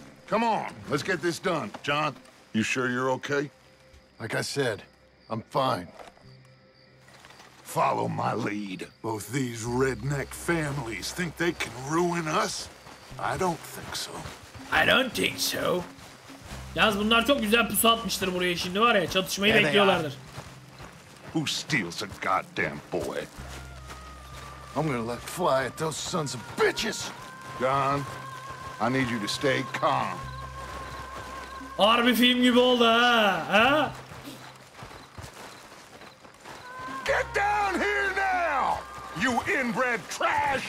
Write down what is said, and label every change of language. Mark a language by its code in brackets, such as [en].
[en] Come on, let's get this done. John, you sure you're okay? Like I said, I'm fine. Follow my lead. Both these redneck families think they can ruin us? I don't think so. I don't think so. [tr] Yalnız bunlar çok güzel pusu atmıştır buraya şimdi var ya çatışmayı [en] there [tr] bekliyorlardır. [en] Who steals a goddamn boy? I'm gonna let fly at those sons of bitches. John, I need you to stay calm. [tr] Harbi film gibi oldu ha? Ha? [en] Get down here now, you inbred trash!